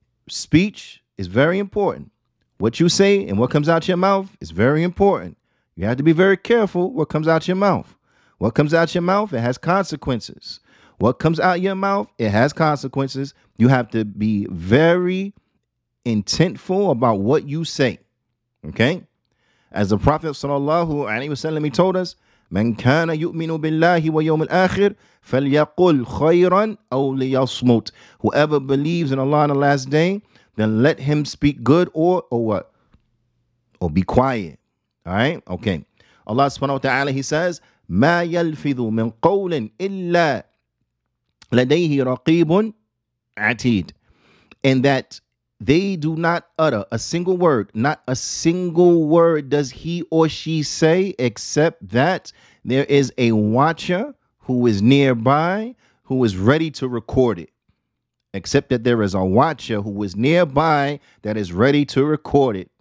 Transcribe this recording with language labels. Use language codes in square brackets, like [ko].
[en] Speech is very important. What you say and what comes out your mouth is very important. You have to be very careful what comes out your mouth. What comes out your mouth, it has consequences. What comes out your mouth, it has consequences. You have to be very intentful about what you say. Okay? As the Prophet sallallahu alaihi wasallam told us, [ar] من كان يؤمن بالله ويوم الآخر فليقل خيرا أو ليصمت. [en] Whoever believes in Allah on the last day, then let him speak good or what? Or be quiet. All right? Okay. Allah subhanahu wa ta'ala, he says, [ar] ما يلفظ من قول إلا لديه رقيب عتيد. [en] And that they do not utter a single word, not a single word does he or she say, except that there is a watcher who is nearby who is ready to record it. Except that there is a watcher who is nearby that is ready to record it.